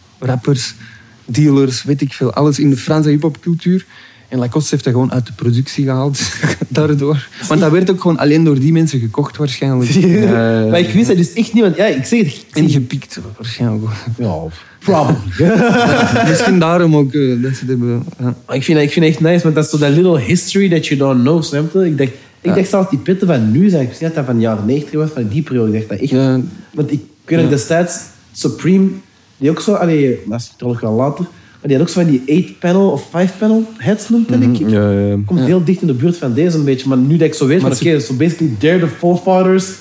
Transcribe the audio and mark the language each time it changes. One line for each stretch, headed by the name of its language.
Dutch: Rappers, dealers, weet ik veel. Alles in de Franse hiphopcultuur. En Lacoste heeft dat gewoon uit de productie gehaald. Daardoor. Want dat werd ook gewoon alleen door die mensen gekocht waarschijnlijk. Maar ik wist dat dus echt niet. Want ja, ik zeg het. En gepikt waarschijnlijk.
English: Ja, probably.
Dutch: Ja, misschien daarom ook dat ze het hebben. Ja. Ik vind echt nice. Want dat is zo dat
English: little history that you don't know.
Dutch: Snap je? Ik dacht zelfs die pitten van nu. Zijn. Ik wist dat van de jaren 90 was. Van die periode. Ik dacht dat echt. Ja. Want ik weet dat destijds Supreme... Die ook zo, allee, dat is toch wel later, maar die had ook zo van die 8-panel of 5-panel heads, noemt dat ik. Ja, ja, ja. Komt heel dicht in de buurt van deze een beetje, maar nu dat ik zo weet, maar okay,
English: so basically they're the forefathers.